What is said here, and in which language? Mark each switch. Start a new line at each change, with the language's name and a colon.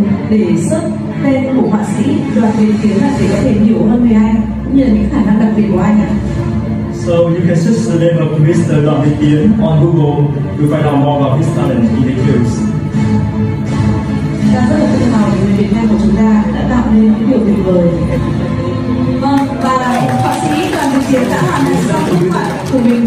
Vietnamese: Để search tên của họa sĩ Đoàn Việt Tiến là để có thể hiểu hơn về anh, cũng như là những khả năng đặc biệt của anh ạ.
English: So you can search the name of Mr. Đoàn Việt Tiến on Google to find out more about his talent in the fields.
Vietnamese: Chúng ta rất là tự hào về Việt Nam của chúng ta đã tạo nên những điều tuyệt vời. Vâng, và họa sĩ Đoàn Việt Tiến đã hoàn thành xong kết quả của mình.